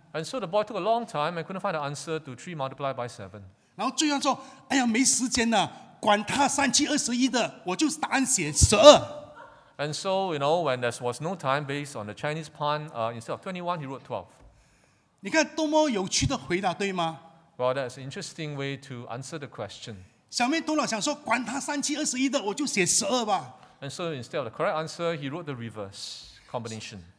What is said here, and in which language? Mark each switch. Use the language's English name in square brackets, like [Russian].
[English] And so the boy took a long time and couldn't find the answer to 3 × 7. [Chinese] 然后最后说，哎呀，没时间了，管他三七二十一的，我就答案写十二。 [English] And so you know, when there was no time, based on the Chinese pun, instead of 21, he wrote 12. [Chinese] 你看多么有趣的回答，对吗？ [English] Well, that's an interesting way to answer the question. [Chinese] 小妹多了想说，管他三七二十一的，我就写十二吧。 [English] And so instead of the correct answer, he wrote the reverse combination.